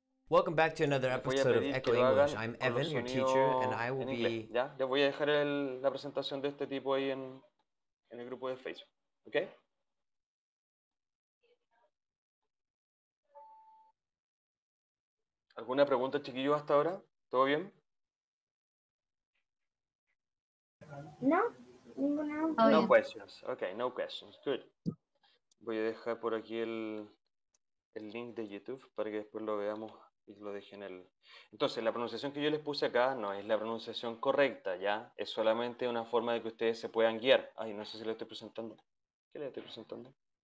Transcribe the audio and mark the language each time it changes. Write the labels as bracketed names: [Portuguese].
[English] Welcome back to another episode of Echo English. I'm Evan, your teacher, and I will be... [Spanish] Ya, ya voy a dejar la presentación de este tipo ahí en el grupo de Facebook. ¿Ok? ¿Alguna pregunta, chiquillos, hasta ahora? ¿Todo bien? No, ninguna. [English] No questions. Okay, no questions. Good. [Spanish] Voy a dejar por aquí el link de YouTube para que después lo veamos y lo dejen el... Entonces, la pronunciación que yo les puse acá no es la pronunciación correcta, ¿ya? Es solamente una forma de que ustedes se puedan guiar. Ay, no sé si lo estoy presentando. ¿Qué le estoy presentando?